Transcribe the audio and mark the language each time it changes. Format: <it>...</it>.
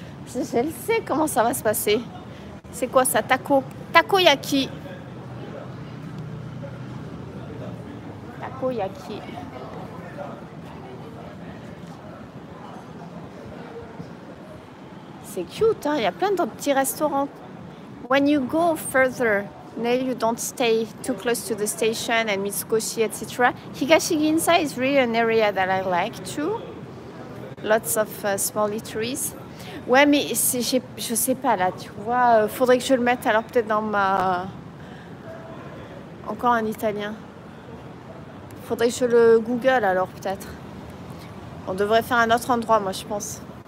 <fr>Je sais comment ça va se passer. C'est quoi ça, taco? Takoyaki. Takoyaki. C'est cute, hein? Il y a plein de petits restaurants.</fr> <en>When you go further, now you don't stay too close to the station and Mitsukoshi, etc. Higashi Ginza is really an area that I like too. Lots of small eateries.</en> <fr>Ouais, mais je sais pas là, tu vois. Faudrait que je le mette alors peut-être dans ma. Encore un italien. Faudrait que je le Google alors peut-être. On devrait faire un autre endroit, moi je pense.</fr>